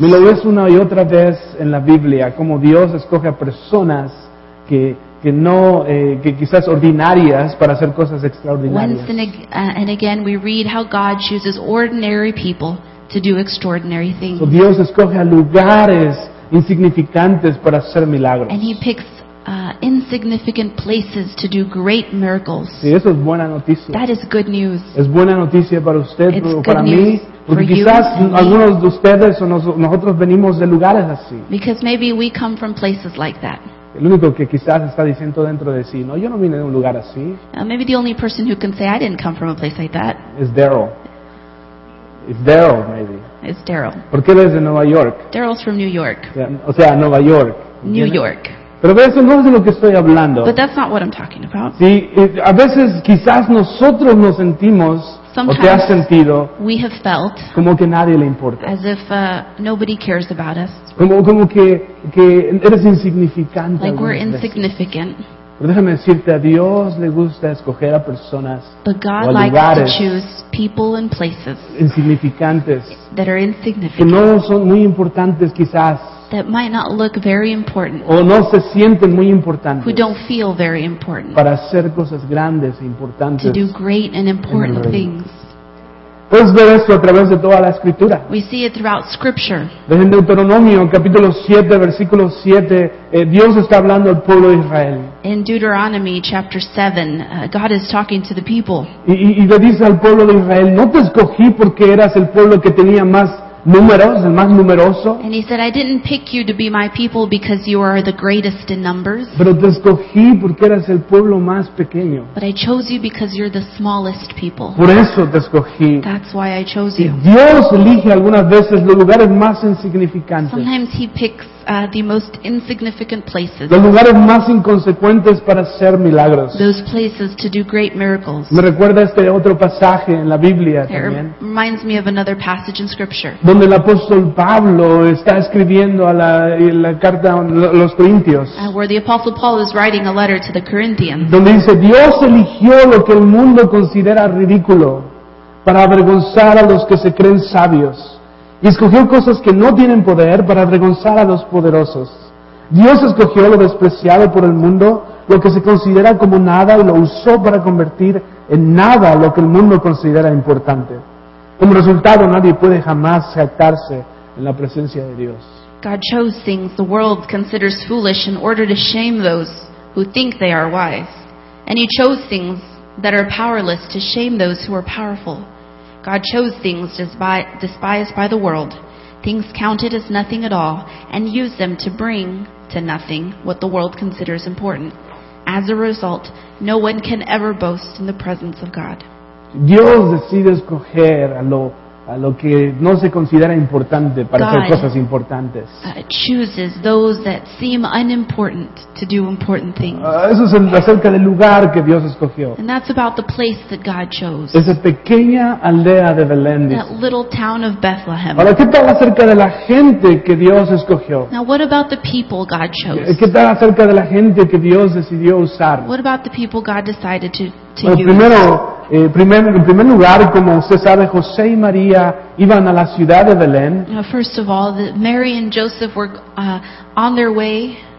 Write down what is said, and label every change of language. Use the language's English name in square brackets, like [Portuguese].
[Spanish] Me lo ves una y otra vez en la Biblia, como Dios escoge a personas que quizás ordinarias para hacer cosas extraordinarias. [English] Once and again, we read how God chooses ordinary people to do extraordinary things. [Spanish] So Dios escoge a lugares insignificantes para hacer milagros. [English] And he picks insignificant places to do great miracles. [Spanish] Sí, eso es buena noticia. [English] That is good news. [Spanish] Es buena noticia para usted, [English] it's [Spanish] o para [English] news. [Spanish] Mí. Porque quizás algunos de ustedes o nosotros venimos de lugares así. [English] Because maybe we come from places like that. [Spanish] El único que quizás está diciendo dentro de sí, no, yo no vine de un lugar así. [English] Maybe the only person who can say I didn't come from a place like that. Is Daryl. It's Daryl, maybe. It's Daryl. [Spanish] ¿Por qué eres de Nueva York? [English] Daryl's from New York. [Spanish] O sea, Nueva York. ¿Entiendes? New York. Pero eso no es de lo que estoy hablando. [English] But that's not what I'm talking about. [Spanish] Sí, a veces quizás nosotros nos sentimos. [English] Sometimes [Spanish] o te has sentido [English] we have felt [Spanish] como que nadie le importa. [English] As if nobody cares about us. [Spanish] Como que eres insignificante. [English] Like we're insignificant. [Spanish] Pero déjame decirte, a Dios le gusta escoger a personas [English] but God [Spanish] o a [English] likes [Spanish] lugares [English] to choose people and places [Spanish] insignificantes [English] that are insignificant. [Spanish] Que no son muy importantes quizás. [English] That might not look very important. [Spanish] O no se sienten muy importantes. [English] Who don't feel very important. [Spanish] Para hacer cosas grandes e importantes. [English] To do great and important things. [Spanish] Puedes ver esto a través de toda la escritura. [English] We see it throughout scripture. [Spanish] En Deuteronomio capítulo 7 versículo 7, Dios está hablando al pueblo de Israel. [English] In Deuteronomy chapter 7, God is talking to the people. [Spanish] Y le dice al pueblo de Israel, no te escogí porque eras el pueblo que tenía más números, el más numeroso. [English] And he said, I didn't pick you to be my people because you are the greatest in numbers. [Spanish] Pero te escogí porque eras el pueblo más pequeño. [English] But I chose you because you're the smallest people. [Spanish] Por eso te escogí. [English] That's why I chose you. [Spanish] Dios elige algunas veces los lugares más insignificantes. [English] Sometimes he picks the most insignificant places. [Spanish] Los lugares más inconsecuentes para hacer milagros. [English] Those places to do great miracles. [Spanish] Me recuerda este otro pasaje en la Biblia [English] it [Spanish] también. [English] Reminds me of another passage in scripture. [Spanish] Donde el apóstol Pablo está escribiendo a la carta a los Corintios. [English] Where the apostle Paul is writing a letter to the Corinthians. [Spanish] Donde dice, Dios eligió lo que el mundo considera ridículo para avergonzar a los que se creen sabios. Y escogió cosas que no tienen poder para avergonzar a los poderosos. Dios escogió lo despreciado por el mundo, lo que se considera como nada, y lo usó para convertir en nada lo que el mundo considera importante. Como resultado, nadie puede jamás jactarse en la presencia de Dios. [English] God chose things the world considers foolish in order to shame those who think they are wise. And he chose things that are powerless to shame those who are powerful. God chose things despised by the world, things counted as nothing at all, and used them to bring to nothing what the world considers important. As a result, no one can ever boast in the presence of God. [Spanish] Dios decide escoger a lo que no se considera importante para [English] God [Spanish] hacer cosas importantes. [English] Chooses those that seem unimportant to do important things. [Spanish] Eso es acerca del lugar que Dios escogió. [English] And that's about the place that God chose. [Spanish] Esa pequeña aldea de Belén. [English] That little town of Bethlehem. [Spanish] Ahora, ¿qué tal acerca de la gente que Dios escogió? [English] Now, what about the people God chose? [Spanish] ¿Qué tal acerca de la gente que Dios decidió usar? [English] What about the people God decided to [Spanish] bueno, [English] use? [Spanish] Primero, en primer lugar, como usted sabe, José y María iban a la ciudad de Belén. [English] First of all, Mary and Joseph were on their way